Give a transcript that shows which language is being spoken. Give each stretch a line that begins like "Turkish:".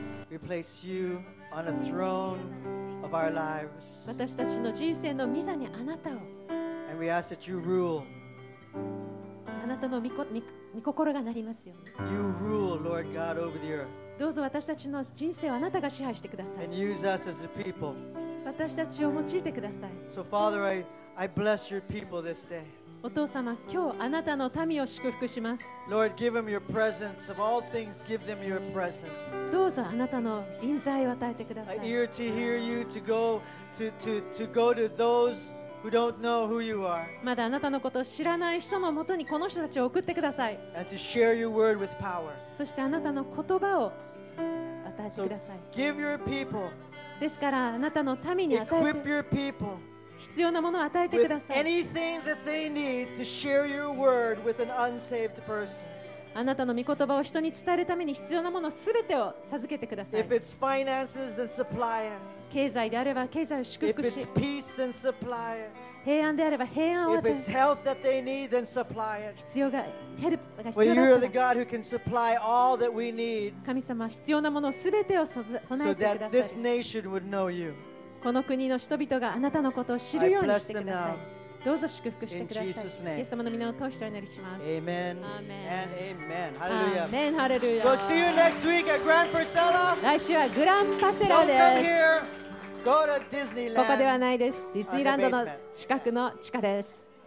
English: We place you on a throne of our lives.
Japanese: 私たちの人生の御座にあなたを。
English: And we ask that you rule.
Japanese: あなたの御心がなりますように。
English: You rule, Lord God, over the earth.
Japanese: どうぞ私たちの人生をあなたが支配してください。
English: And use us as a people.
Japanese: 私たちを用いてください。
English: So Father, I bless your people this day.
Japanese: お父様、今日あなたの民を祝福します。
English: Lord, give them your presence. Of all things, give them your presence.
Japanese: どうぞあなたの臨在を与えてください。
English: A ear to hear you, to go to those who don't know who you are.
Japanese: まだあなたのことを知らない人のもとにこの人たちを送ってください。
English: And to share your word with power.
Japanese: そしてあなたの言葉を与えてください。
English: So give your people.
Japanese: ですからあなたの民に与えて、
English: Equip your people.
Japanese: 必要なものを与えてください。
English: With anything that they need to share your word with an unsaved person.
Japanese: あなたの御言葉を人に伝えるために必要なものすべてを授けてください。
English: If it's finances, then supply it.
Japanese: 経済であれば経済を祝福し、
English: If it's peace, then supply it.
Japanese: 平安であれば平安を与え、
English: If it's health that they need, then supply it.
Japanese: 必要が、ヘルプが必要だった
English: ら、 Well, you are the God who can supply all that we need.
Japanese: 神様は必要なものすべてを備えてください。 So that this nation would know you. この国の人々があなたのことを知るようにしてください。どうぞ祝福してください。
English: In Jesus' name.
Japanese: イエス様の御名を通してお祈りします。
English: Amen. And Amen. Hallelujah. Amen. Hallelujah. We'll see you next week at Grand Parcela.
Japanese: 来週はグランパセラです。
English: Don't come here. Go to Disneyland.
Japanese: ここではないです。ディズニーランドの近くの地下です。